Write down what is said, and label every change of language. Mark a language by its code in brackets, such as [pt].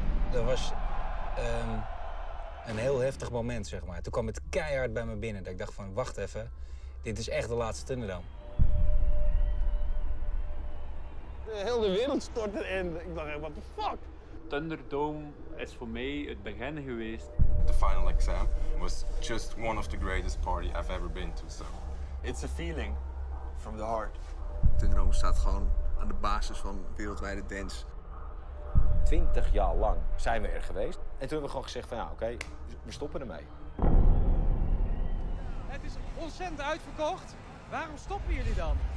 [nl] Dat was een heel heftig moment, zeg maar. Toen kwam het keihard bij me binnen dat ik dacht van wacht even, dit is echt de laatste Thunderdome. De hele wereld stortte in. Ik dacht, [en] what the fuck? [nl] Thunderdome is voor mij het begin geweest. [en] The final exam was just one of the greatest party I've ever been to, so. It's a feeling from the heart. [nl] Thunderdome staat gewoon aan de basis van wereldwijde dance. 20 jaar lang zijn we er geweest. En toen hebben we gewoon gezegd van ja, oké, we stoppen ermee. Het is ontzettend uitverkocht. Waarom stoppen jullie dan?